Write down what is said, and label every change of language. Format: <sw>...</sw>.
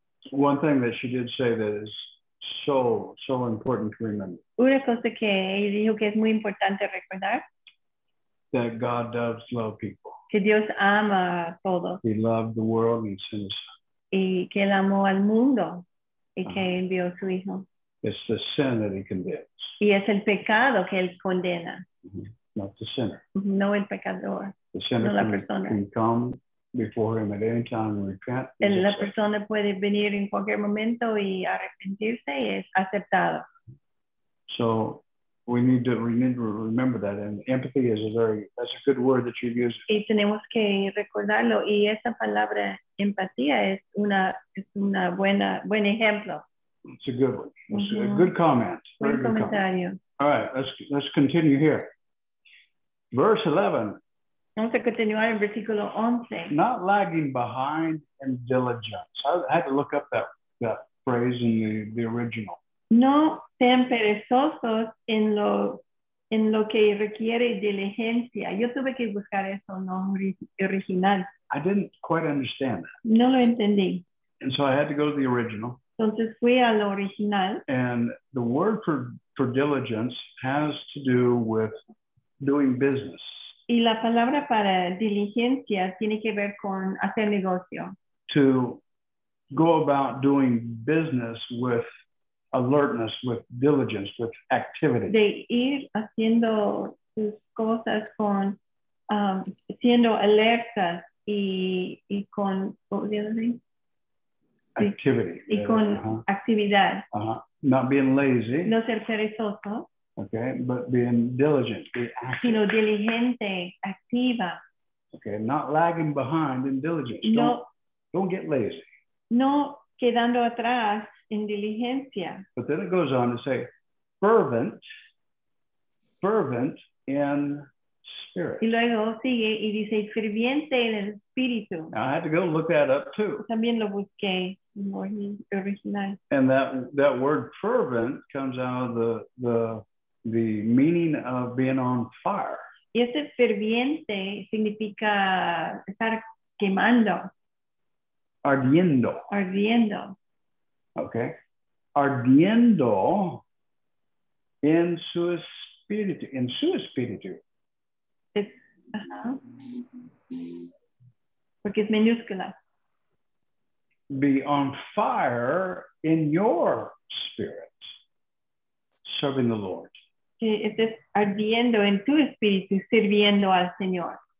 <en>One thing that she did say that is so, so important to remember.</en> <es>Una cosa que ella dijo que es muy importante recordar.</es> <en>That God does love people.</en> <es>Que Dios ama a todos.</es> <en>He loved the world and sent his Son.</en> <es>Y que él amó al mundo y que envió su hijo.</es> <en>It's the sin that he condemns.</en> <es>Y es el pecado que él condena.</es> <en>Mm-hmm. Not the sinner.</en> <es>No el pecador.</es> <en>The sinner</en> <es>no la persona.</es> <en>Can come before him at any time and repent.</en> <es>La persona puede venir en cualquier momento y arrepentirse y es aceptado.</es> <en>So we need to remember that. And empathy is that's a good word that you've used.</en> <es>Y tenemos que recordarlo. Y esa palabra empatía es una buen ejemplo.</es> <en>It's a good one. It's a good comment. Very good comment. All right, let's continue here. Verse 11.</en> <es>Vamos a continuar en versículo 11.</es> <en>Not lagging behind in diligence. I had to look up that phrase in the original.</en> <es>No sean perezosos en lo que requiere diligencia. Yo tuve que buscar eso en lo original.</es> <en>I didn't quite understand that.</en> <es>No lo entendí.</es> <en>And so I had to go to the original.</en> <es>Entonces fui a lo original.</es> <en>And the word for diligence has to do with doing business.</en> <es>Y la palabra para diligencia tiene que ver con hacer negocio.</es> <en>To go about doing business with alertness, with diligence, with activity.</en> <es>De ir haciendo sus cosas con siendo alerta y con</es> <en>activity.</en> <es>Y con actividad.</es> <en>Uh-huh. Not being lazy.</en> <es>No ser perezoso.</es> <en>Okay, but being diligent. Be active.</en> <es>Sino diligente, activa.</es> <en>Okay, not lagging behind in diligence. No, don't get lazy.</en> <es>No quedando atrás en diligencia.</es> <en>But then it goes on to say, fervent in spirit.</en> <es>Y luego sigue y dice ferviente en el espíritu.</es> <en>Now, I had to go look that up too.</en> <es>También lo busqué en original.</es> <en>And that word fervent comes out of the meaning of being on fire.</en> <es>Y ese ferviente significa estar quemando. Ardiendo. Ardiendo. Okay. Ardiendo en su espíritu. Porque es minúscula.</es> <en>Be on fire in your spirit, serving the Lord.</en> <es>Que estés ardiendo en tu espíritu, sirviendo al Señor.</es>